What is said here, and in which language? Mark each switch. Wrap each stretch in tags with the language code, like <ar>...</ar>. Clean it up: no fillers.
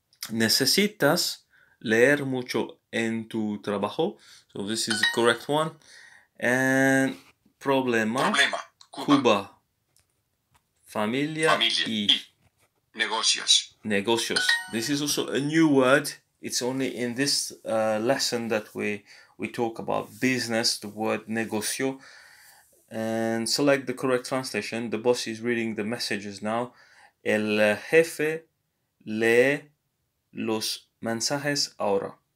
<es>¿Necesitas leer mucho en tu trabajo?</es> <en>So this is the correct one.</en> <es>And problema. Cuba. Familia. Negocios.</es> <en>Negocios. This is also a new word. It's only in this lesson that we talk about business, the word negocio. And select the correct translation. The boss is reading the messages now.</en> <es>El jefe lee los mensajes ahora.</es>